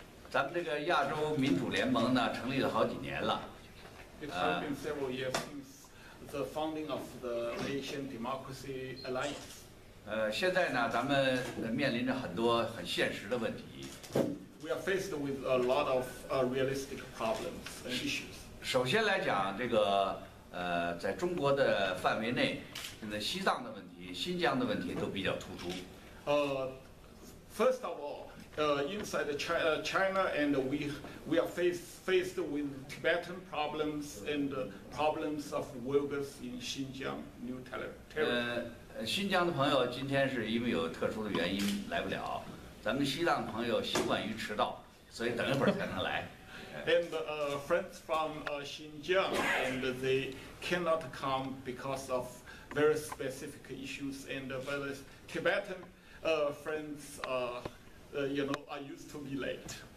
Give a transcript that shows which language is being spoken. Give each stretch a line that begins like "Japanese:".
Chinese: 咱们这个亚洲民主联盟呢，成立了好几年了。
English: The founding of the Asian Democracy Alliance.
Chinese: 现在呢，咱们面临着很多很现实的问题。
English: We are faced with a lot of realistic problems and issues.
Chinese: 首先来讲，这个在中国的范围内，现在西藏的问题、新疆的问题都比较突出。
English: First of all, inside the China and we are faced with Tibetan problems and problems of Uyghurs in Xinjiang, new territory.
Chinese: 新疆的朋友今天是因为有特殊的原因来不了，咱们西藏朋友习惯于迟到，所以等一会儿才能来。
English: And friends from Xinjiang and they cannot come because of very specific issues and very Tibetan friends you know, are used to be late.